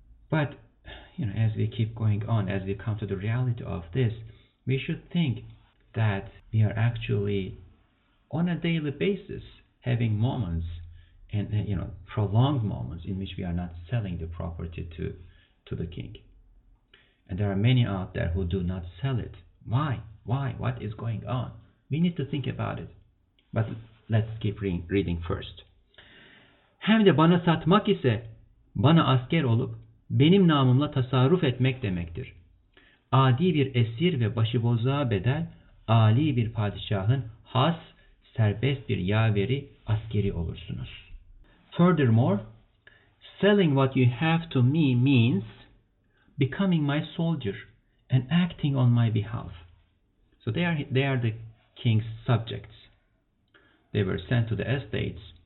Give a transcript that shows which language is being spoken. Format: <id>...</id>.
<en>But, you know, as we keep going on, as we come to the reality of this, we should think that we are actually on a daily basis having moments and, you know, prolonged moments in which we are not selling the property to the king. And there are many out there who do not sell it. Why? What is going on? We need to think about it. But let's keep reading first.</en> <tr>Hem de bana satmak ise bana asker olup benim namımla tasarruf etmek demektir. Adi bir esir ve başıbozluğa bedel ali bir padişahın has serbest bir yaveri askeri olursunuz.</tr> <en>Furthermore, selling what you have to me means becoming my soldier and acting on my behalf. So they are the king's subjects. They were sent to the estates.</en>